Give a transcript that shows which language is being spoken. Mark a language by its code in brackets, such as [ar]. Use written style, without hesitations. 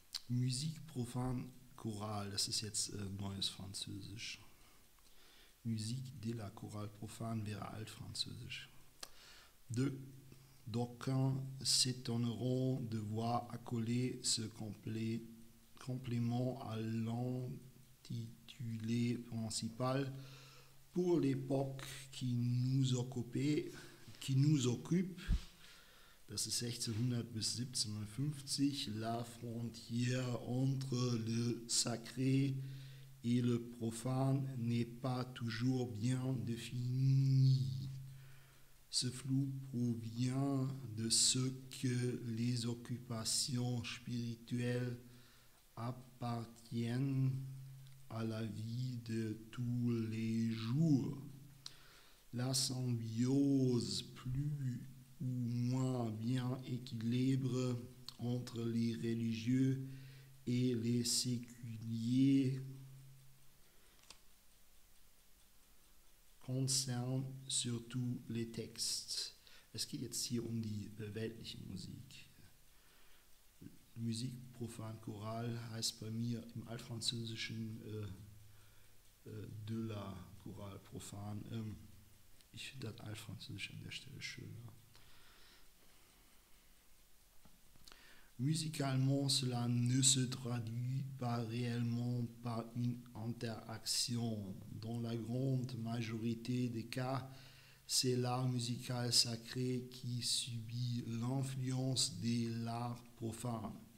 [fr] Musique profane chorale, [de] das ist jetzt neues Französisch. [fr] Musique de la chorale profane [de] wäre altfranzösisch. [fr] D'aucuns s'étonneront de voir accoler ce complément à l'intitulé principal pour l'époque qui nous occupe. [de] Das ist 1600 bis 1750, [fr] La frontière entre le sacré et le profane n'est pas toujours bien définie. Ce flou provient de ce que les occupations spirituelles appartiennent à la vie de tous les jours. La symbiose plus ou moins bien équilibré entre les religieux et les séculiers concerne surtout les textes. [de] Es geht jetzt hier um die weltliche Musik. [fr] Musique profane chorale [de] heißt bei mir im Altfranzösischen [fr] de la chorale profane. [de] Ich finde das Altfranzösisch an der Stelle schöner. [fr] Musicalement, cela ne se traduit pas réellement par une interaction. Dans la grande majorité des cas, c'est l'art musical sacré qui subit l'influence de l'art profane.